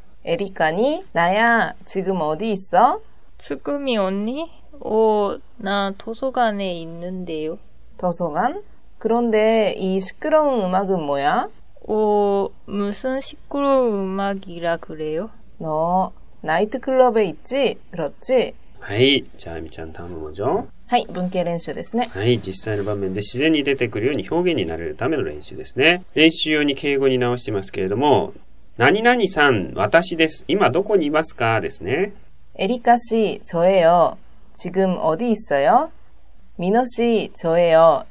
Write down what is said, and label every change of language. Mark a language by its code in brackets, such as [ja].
[ja] エリカに、 [ko] 나야、지금어디있어 지금이언니오、나、도서관에있는데요。 도서관그런데、이시끄러운음악은뭐야 오、무슨시끄러운음악이라그래요 너、나이트클럽에있지그렇지 [ja] はい。じゃあ、みちゃん、頼むもじょ。はい。文型練習ですね。はい。実際の場面で自然に出てくるように表現になれるための練習ですね。練習用に敬語に直してますけれども、何々さん、私です。今どこにいますかですね。 [ko] エリカ씨、저예요。지금어디있어요미노씨、저예요。